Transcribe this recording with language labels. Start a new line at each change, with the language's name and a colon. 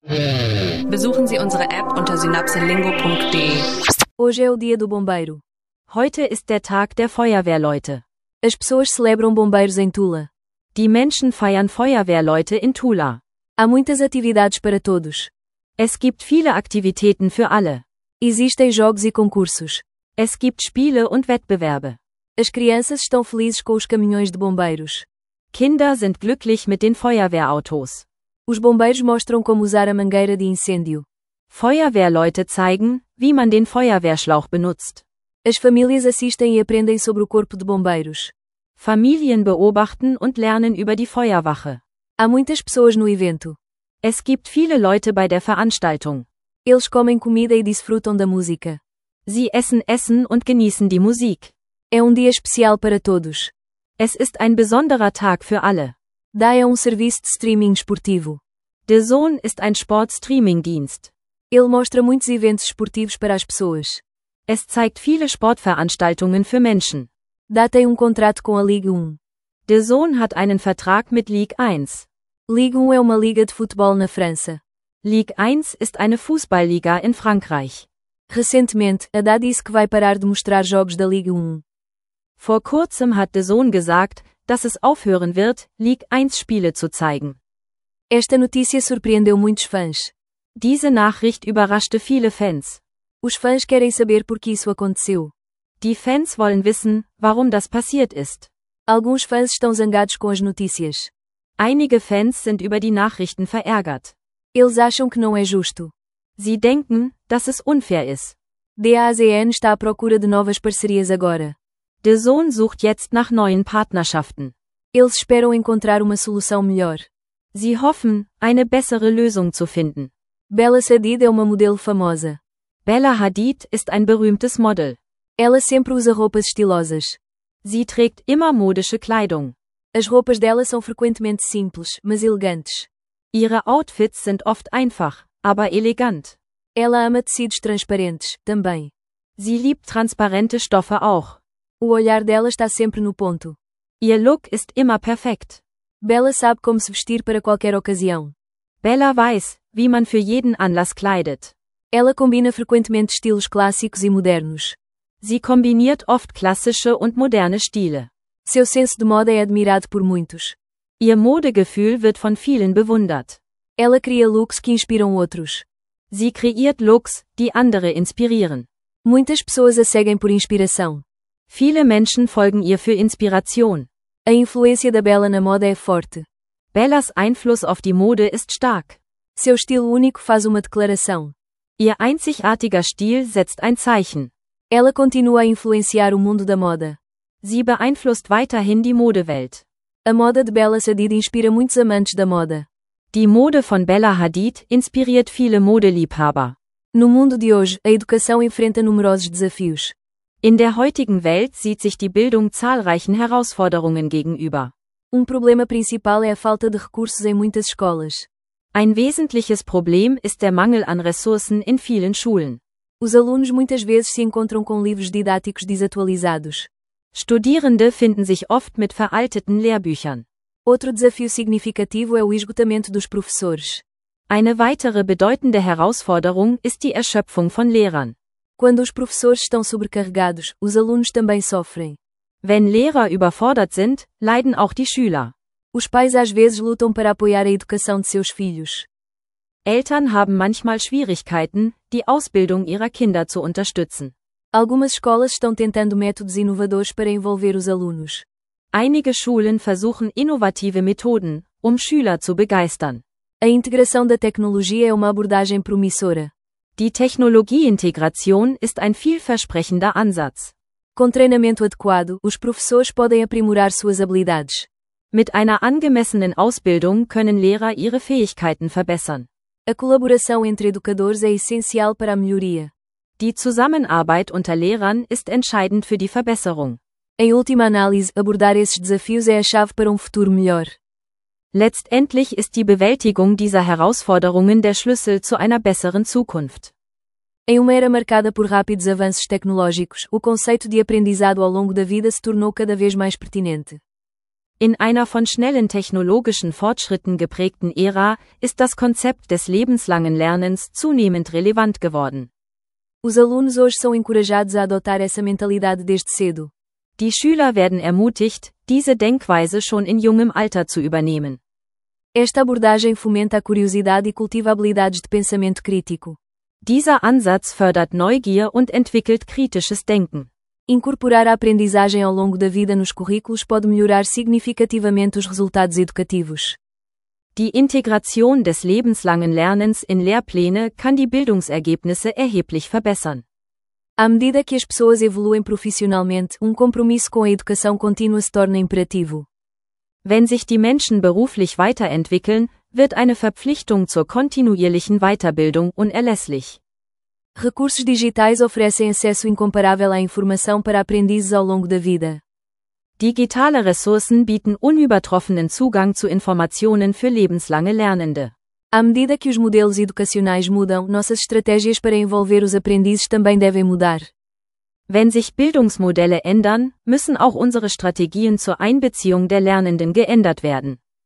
German: Besuchen Sie unsere App unter synapselingo.de.
Portuguese: Hoje é o dia do bombeiro.
German: Heute ist der Tag der Feuerwehrleute.
Portuguese: As pessoas celebram bombeiros em Tula.
German: Die Menschen feiern Feuerwehrleute in Tula.
Portuguese: Há muitas atividades para todos.
German: Es gibt viele Aktivitäten für alle.
Portuguese: Existem jogos e concursos.
German: Es gibt Spiele und Wettbewerbe.
Portuguese: As crianças estão felizes com os caminhões de bombeiros.
German: Kinder sind glücklich mit den Feuerwehrautos.
Portuguese: Os bombeiros mostram como usar a mangueira de incêndio.
German: Feuerwehrleute zeigen, wie man den Feuerwehrschlauch benutzt.
Portuguese: As famílias assistem e aprendem sobre o corpo de bombeiros.
German: Familien beobachten und lernen über die Feuerwache.
Portuguese: Há muitas pessoas no evento.
German: Es gibt viele Leute bei der Veranstaltung.
Portuguese: Eles comem comida e desfrutam da música.
German: Sie essen Essen und genießen die Musik.
Portuguese: É um dia especial para todos.
German: Es ist ein besonderer Tag für alle.
Portuguese: Da é um serviço de streaming esportivo.
German: DAZN ist ein Sportstreaming-Dienst.
Portuguese: Ele mostra muitos eventos esportivos para as pessoas.
German: Es zeigt viele Sportveranstaltungen für Menschen.
Portuguese: Da tem contrato com a Ligue 1.
German: DAZN hat einen Vertrag mit Ligue 1.
Portuguese: Ligue 1 é uma liga de futebol na França.
German: Ligue 1 ist eine Fußballliga in Frankreich.
Portuguese: Recentemente, a DAZN disse que vai parar de mostrar jogos da Ligue 1.
German: Vor kurzem hat DAZN gesagt, dass es aufhören wird, Ligue 1 Spiele zu zeigen.
Portuguese: Esta notícia surpreendeu muitos fãs.
German: Diese Nachricht überraschte viele Fans.
Portuguese: Os fãs querem saber por que isso aconteceu.
German: Die Fans wollen wissen, warum das passiert ist.
Portuguese: Alguns fãs estão zangados com as notícias.
German: Einige Fans sind über die Nachrichten verärgert.
Portuguese: Eles acham que não é justo.
German: Sie denken, dass es unfair ist.
Portuguese: DAZN está à procura de novas parcerias agora.
German: DAZN sucht jetzt nach neuen Partnerschaften.
Portuguese: Eles esperam encontrar uma solução melhor.
German: Sie hoffen, eine bessere Lösung zu finden.
Portuguese: Bella Hadid é uma modelo famosa.
German: Bella Hadid ist ein berühmtes Model.
Portuguese: Ela sempre usa roupas estilosas.
German: Sie trägt immer modische Kleidung.
Portuguese: As roupas dela são frequentemente simples, mas elegantes.
German: Ihre Outfits sind oft einfach, aber elegant.
Portuguese: Ela ama tecidos transparentes, também.
German: Sie liebt transparente Stoffe auch.
Portuguese: O olhar dela está sempre no ponto.
German: Ihr Look ist immer perfekt.
Portuguese: Bella sabe como se vestir para qualquer ocasião.
German: Bella weiß, wie man für jeden Anlass kleidet.
Portuguese: Ela combina frequentemente estilos clássicos e modernos.
German: Sie kombiniert oft klassische und moderne Stile.
Portuguese: Seu senso de moda é admirado por muitos.
German: Ihr Modegefühl wird von vielen bewundert.
Portuguese: Ela cria looks que inspiram outros.
German: Sie kreiert looks, die andere inspirieren.
Portuguese: Muitas pessoas a seguem por inspiração.
German: Viele Menschen folgen ihr für Inspiration.
Portuguese: A influência da Bella na moda é forte.
German: Bellas Einfluss auf die Mode ist stark.
Portuguese: Seu estilo único faz uma declaração.
German: Ihr einzigartiger Stil setzt ein Zeichen.
Portuguese: Ela continua a influenciar o mundo da moda.
German: Sie beeinflusst weiterhin die Modewelt.
Portuguese: A moda de Bella Hadid inspira muitos amantes da moda.
German: Die Mode von Bella Hadid inspiriert viele Modeliebhaber.
Portuguese: No mundo de hoje, a educação enfrenta numerosos desafios.
German: In der heutigen Welt sieht sich die Bildung zahlreichen Herausforderungen gegenüber.
Portuguese: Problema principal é a falta de recursos em muitas escolas.
German: Ein wesentliches Problem ist der Mangel an Ressourcen in vielen Schulen.
Portuguese: Os alunos muitas vezes se encontram com livros didáticos desatualizados.
German: Studierende finden sich oft mit veralteten Lehrbüchern.
Portuguese: Outro desafio significativo é o esgotamento dos professores.
German: Eine weitere bedeutende Herausforderung ist die Erschöpfung von Lehrern.
Portuguese: Quando os professores estão sobrecarregados, os alunos também sofrem.
German: Wenn Lehrer überfordert sind, leiden auch die Schüler.
Portuguese: Os pais às vezes lutam para apoiar a educação de seus filhos.
German: Eltern haben manchmal Schwierigkeiten, die Ausbildung ihrer Kinder zu unterstützen.
Portuguese: Algumas escolas estão tentando métodos inovadores para envolver os alunos.
German: Einige Schulen versuchen innovative Methoden, Schüler zu begeistern.
Portuguese: A integração da tecnologia é uma abordagem promissora.
German: Die Technologieintegration ist ein vielversprechender Ansatz.
Portuguese: Com treinamento adequado, os professores podem aprimorar suas habilidades.
German: Mit einer angemessenen Ausbildung können Lehrer ihre Fähigkeiten verbessern.
Portuguese: A colaboração entre educadores é essencial para a melhoria.
German: Die Zusammenarbeit unter Lehrern ist entscheidend für die Verbesserung.
Portuguese: Em última análise, abordar esses desafios é a chave para futuro melhor.
German: Letztendlich ist die Bewältigung dieser Herausforderungen der Schlüssel zu einer besseren Zukunft.
Portuguese: Em uma era marcada por rápidos avanços tecnológicos, o conceito de aprendizado ao longo da vida se tornou cada vez mais pertinente.
German: In einer von schnellen technologischen Fortschritten geprägten Ära ist das Konzept des lebenslangen Lernens zunehmend relevant geworden.
Portuguese: Os alunos hoje são encorajados a adotar essa mentalidade desde cedo.
German: Die Schüler werden ermutigt, diese Denkweise schon in jungem Alter zu übernehmen.
Portuguese: Esta abordagem fomenta a curiosidade e cultiva habilidades de pensamento crítico.
German: Dieser Ansatz fördert Neugier und entwickelt kritisches Denken.
Portuguese: Incorporar a aprendizagem ao longo da vida nos currículos pode melhorar significativamente os resultados educativos.
German: Die Integration des lebenslangen Lernens in Lehrpläne kann die Bildungsergebnisse erheblich verbessern.
Portuguese: À medida que as pessoas evoluem profissionalmente, compromisso com a educação contínua se torna imperativo.
German: Wenn sich die Menschen beruflich weiterentwickeln, wird eine Verpflichtung zur kontinuierlichen Weiterbildung unerlässlich.
Portuguese: Recursos digitais oferecem acesso incomparável à informação para aprendizes ao longo da vida.
German: Digitale Ressourcen bieten unübertroffenen Zugang zu Informationen für lebenslange Lernende.
Portuguese: À medida que os modelos educacionais mudam, nossas estratégias para envolver os aprendizes também devem mudar.
German: Wenn sich Bildungsmodelle ändern, müssen auch unsere Strategien zur Einbeziehung der Lernenden geändert werden.